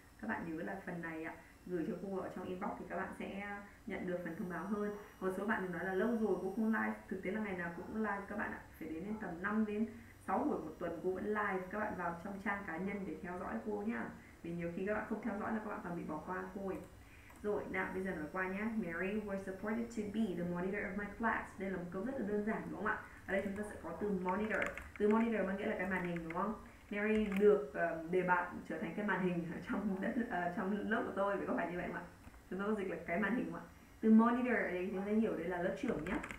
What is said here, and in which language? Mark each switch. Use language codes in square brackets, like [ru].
[vi] Các bạn nhớ là phần này gửi cho cô ở trong inbox thì các bạn sẽ nhận được phần thông báo hơn. Một số bạn thì nói là lâu rồi cô không live, thực tế là ngày nào cô cũng live các bạn ạ, phải đến tầm 5 đến 6 buổi một tuần cô vẫn live. Các bạn vào trong trang cá nhân để theo dõi cô nhá, vì nhiều khi các bạn không theo dõi là các bạn còn bị bỏ qua cô ấy. Rồi, nào bây giờ nói qua nhé. [en] Mary was appointed to be the monitor of my class. [vi] Đây là một câu rất là đơn giản đúng không ạ? Ở đây chúng ta sẽ có từ monitor. Từ monitor mang nghĩa là cái màn hình đúng không? Mary được đề bạt trở thành cái màn hình trong lớp của tôi, phải có phải như vậy không ạ? Chúng ta có dịch là cái màn hình không ạ? Từ monitor ở đây chúng ta hiểu đây là lớp trưởng nhé.